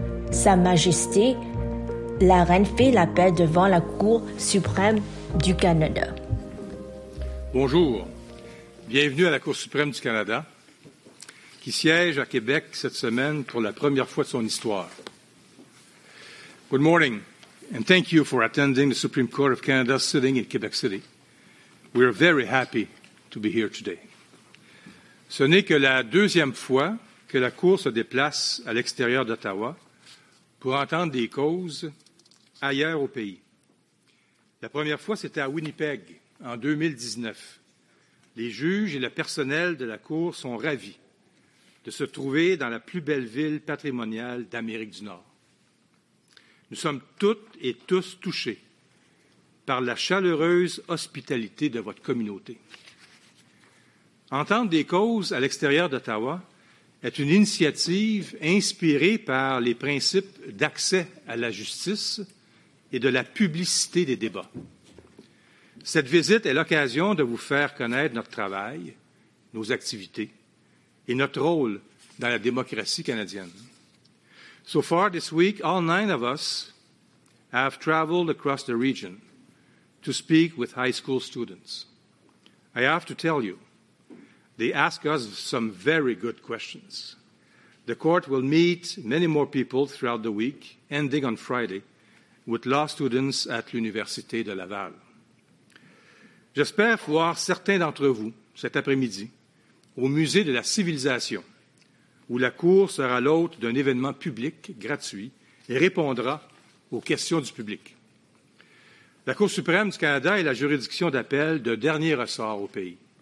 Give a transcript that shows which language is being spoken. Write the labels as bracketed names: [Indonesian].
[French] Sa Majesté, la Reine, fait l'appel devant la Cour suprême du Canada. Bonjour. Bienvenue à la Cour suprême du Canada, qui siège à Québec cette semaine pour la première fois de son histoire. [English] Good morning, and thank you for attending the Supreme Court of Canada sitting in Quebec City. We are very happy to be here today. [French] Ce n'est que la deuxième fois que la Cour se déplace à l'extérieur d'Ottawa pour entendre des causes ailleurs au pays. La première fois, c'était à Winnipeg, en 2019. Les juges et le personnel de la Cour sont ravis de se trouver dans la plus belle ville patrimoniale d'Amérique du Nord. Nous sommes toutes et tous touchés par la chaleureuse hospitalité de votre communauté. Entendre des causes à l'extérieur d'Ottawa est une initiative inspirée par les principes d'accès à la justice et de la publicité des débats. Cette visite est l'occasion de vous faire connaître notre travail, nos activités et notre rôle dans la démocratie canadienne. [English] So far this week, all 9 of us have traveled across the region to speak with high school students. I have to tell you, they ask us some very good questions. The court will meet many more people throughout the week, ending on Friday, with law students at l'Université de Laval. [French] J'espère voir certains d'entre vous cet après-midi au Musée de la civilisation, où la Cour sera l'hôte d'un événement public gratuit et répondra aux questions du public. La Cour suprême du Canada est la juridiction d'appel de dernier ressort au pays.